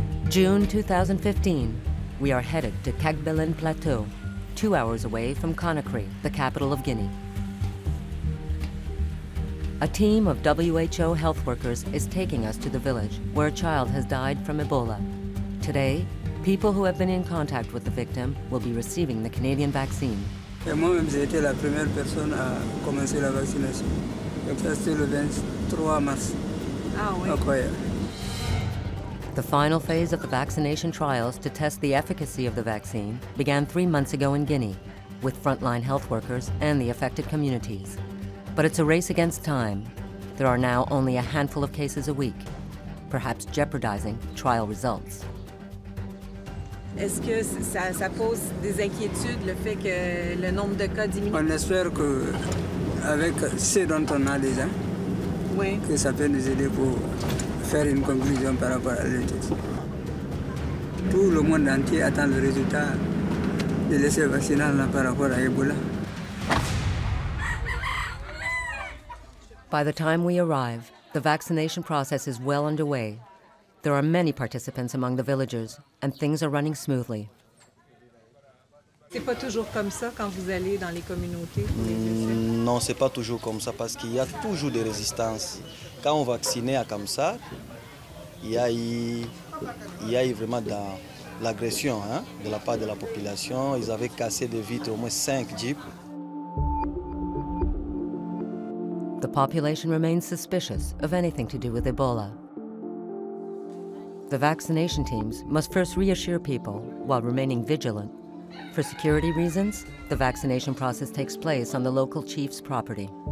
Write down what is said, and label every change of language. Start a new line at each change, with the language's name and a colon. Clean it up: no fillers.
English: June 2015, we are headed to Kagbilan Plateau, 2 hours away from Conakry, the capital of Guinea. A team of WHO health workers is taking us to the village where a child has died from Ebola. Today, people who have been in contact with the victim will be receiving the Canadian vaccine.
French: Moi-même, j'ai été la première personne à commencer la vaccination. C'était le 23 mars. Ah oui. Incroyable.
English: The final phase of the vaccination trials to test the efficacy of the vaccine began 3 months ago in Guinea, with frontline health workers and the affected communities. But it's a race against time. There are now only a handful of cases a week, perhaps jeopardizing trial results.
French: Est-ce que ça pose des inquiétudes le fait que le nombre de cas diminue? On espère que avec ce dont on a déjà, oui. Que ça peut nous aider pour faire une conclusion par rapport à l'étude. Tout le monde entier attend le résultat de l'essai vaccinal par rapport à Ebola.
English: By the time we arrive, the vaccination process is well underway. There are many participants among the villagers, and things are running smoothly.
French: C'est pas toujours comme ça quand vous allez dans les communautés. Non, c'est pas toujours comme ça parce qu'il y a toujours des résistances. Quand on vaccine à comme ça, il y a vraiment dans l'agression hein, de la part de la population. Ils avaient cassé des vitres, au moins 5 jeeps.
English: The population remains suspicious of anything to do with Ebola. The vaccination teams must first reassure people while remaining vigilant. For security reasons, the vaccination process takes place on the local chief's property.